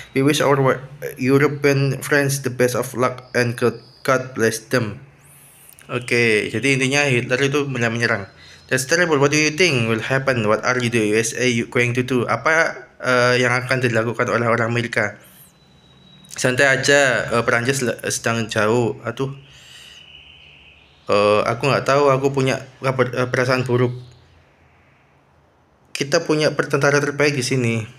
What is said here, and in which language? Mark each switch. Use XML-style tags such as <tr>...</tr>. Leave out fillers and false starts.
<en>We wish our European friends the best of luck and God bless them.</en> <id>Okay, jadi intinya Hitler itu mulai menyerang.</id> <en>That's terrible, what do you think will happen? What are you the USA going to do?</en> <id>Apa yang akan dilakukan oleh orang Amerika? Santai aja, Perancis sedang jauh. Aduh. Aku nggak tahu, aku punya perasaan buruk. Kita punya pertentara terbaik di sini.</id>